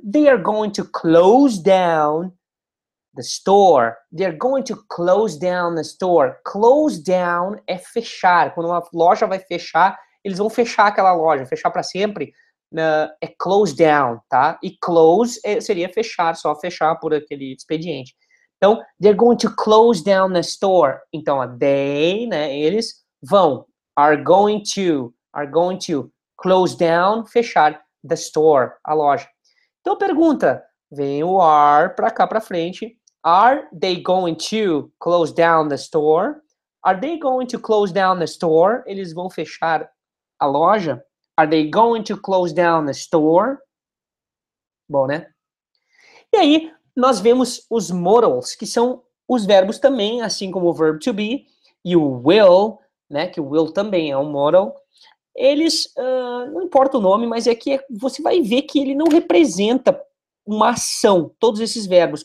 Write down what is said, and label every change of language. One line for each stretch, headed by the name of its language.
English: They are going to close down the store. They're going to close down the store. Close down
Portuguese: é fechar. Quando uma loja vai fechar, eles vão fechar aquela loja. Fechar para sempre é close down, tá? E close seria fechar, só fechar por aquele expediente.
English: Então, they're going to close down the store.
Portuguese: Então, they, né, eles vão.
English: Are going to close down,
Portuguese: fechar
English: the store,
Portuguese: a loja. Então, pergunta. Vem o are para cá para frente.
English: Are they going to close down the store? Are they going to close down the store?
Portuguese: Eles vão fechar a loja?
English: Are they going to close down the store?
Portuguese: Bom, né? E aí, nós vemos os modals, que são os verbos também, assim como o verb to be e o will, né? Que o will também é um modal. Eles, não importa o nome, mas é que você vai ver que ele não representa uma ação, todos esses verbos.